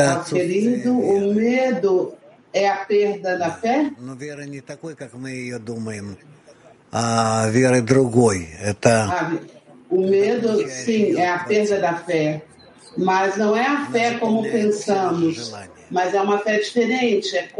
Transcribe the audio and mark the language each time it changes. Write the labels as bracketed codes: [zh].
[pt] Querido, o medo é a perda da fé? [ru] Но вера не такой, как мы ее думаем, а вера другой. Это... [pt] O medo, sim, é a perda da fé. Mas não é a fé como pensamos, mas é uma fé diferente.